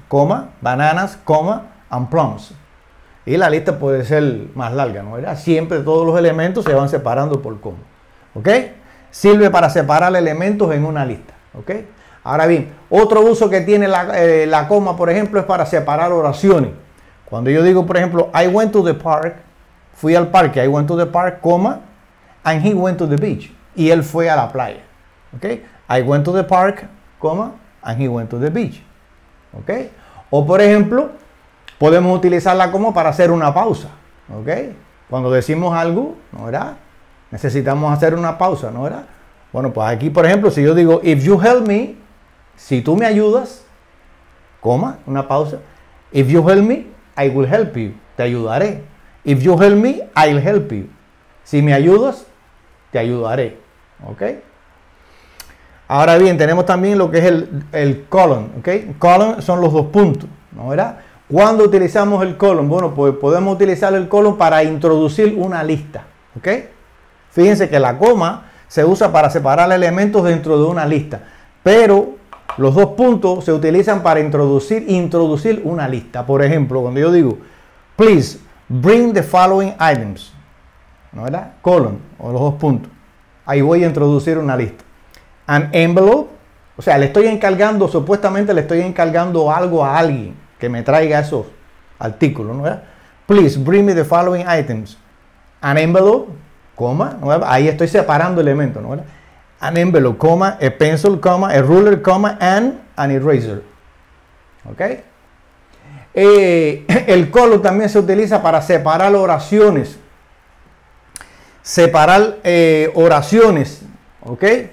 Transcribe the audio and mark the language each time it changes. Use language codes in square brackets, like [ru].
[en] Coma, bananas, coma, and plums. [es] Y la lista puede ser más larga, ¿no? ¿Verdad? Siempre todos los elementos se van separando por coma. ¿Ok? Sirve para separar elementos en una lista. ¿Ok? Ahora bien, otro uso que tiene la coma, por ejemplo, es para separar oraciones. Cuando yo digo, por ejemplo, [en] I went to the park, [es] fui al parque, [en] I went to the park, coma, and he went to the beach. [es] Y él fue a la playa. ¿Ok? [en] I went to the park, coma, and he went to the beach. [es] ¿Ok? O por ejemplo, podemos utilizarla como para hacer una pausa. ¿Ok? Cuando decimos algo, ¿no verdad? necesitamos hacer una pausa, ¿no era? Bueno, pues aquí, por ejemplo, si yo digo, [en] if you help me, [es] si tú me ayudas, coma, una pausa. [en] If you help me, I will help you, [es] te ayudaré. [en] If you help me, I'll help you. [es] Si me ayudas, te ayudaré. ¿Ok? Ahora bien, tenemos también lo que es el colon. ¿Ok? Colon son los dos puntos, ¿no era? ¿Cuándo utilizamos el colon? Bueno, pues podemos utilizar el colon para introducir una lista. ¿Ok? Fíjense que la coma se usa para separar elementos dentro de una lista. Pero los dos puntos se utilizan para introducir una lista. Por ejemplo, cuando yo digo, [en] please bring the following items. [es] ¿No era? Colon, o los dos puntos. Ahí voy a introducir una lista. [en] An envelope. [es] O sea, le estoy encargando, supuestamente le estoy encargando algo a alguien que me traiga esos artículos, ¿no era? [en] Please bring me the following items. [es] An envelope, coma, ¿no era? Ahí estoy separando elementos, ¿no era? [en] An envelope, [es] coma, [en] a pencil, [es] coma, [en] a ruler, [es] coma, [en] and an eraser. [es] ¿Ok? El colon también se utiliza para separar oraciones. Separar oraciones, ¿ok?